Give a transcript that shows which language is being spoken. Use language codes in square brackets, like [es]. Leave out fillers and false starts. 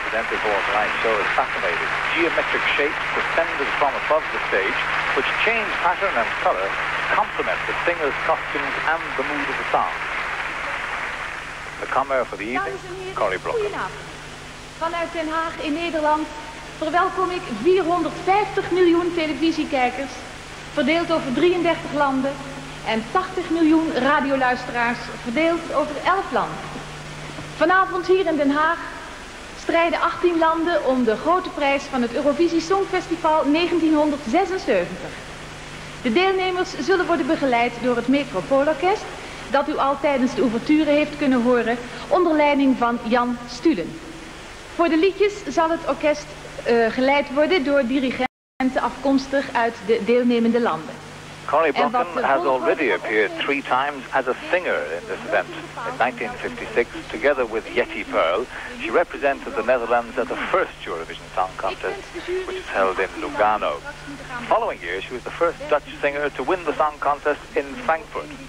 [en] Before tonight's show is fascinating. Geometric shapes suspended from above the stage, which change pattern and color, complement the singer's costumes and the mood of the song. The commentary for the evening, Corrie Brooke. [nl] Vanuit Den Haag in Nederland verwelkom ik 450 miljoen televisiekijkers, verdeeld over 33 landen, en 80 miljoen radioluisteraars, verdeeld over 11 landen. Vanavond hier in Den Haag strijden 18 landen om de grote prijs van het Eurovisie Songfestival 1976. De deelnemers zullen worden begeleid door het Metropoolorkest, dat u al tijdens de ouverture heeft kunnen horen, onder leiding van Jan Stulen. Voor de liedjes zal het orkest geleid worden door dirigenten afkomstig uit de deelnemende landen. [en] Corrie Brocken has already appeared three times as a singer in this event. In 1956, together with Jetty Pearl, she represented the Netherlands at the first Eurovision Song Contest, which was held in Lugano. The following year, she was the first Dutch singer to win the song contest in Frankfurt.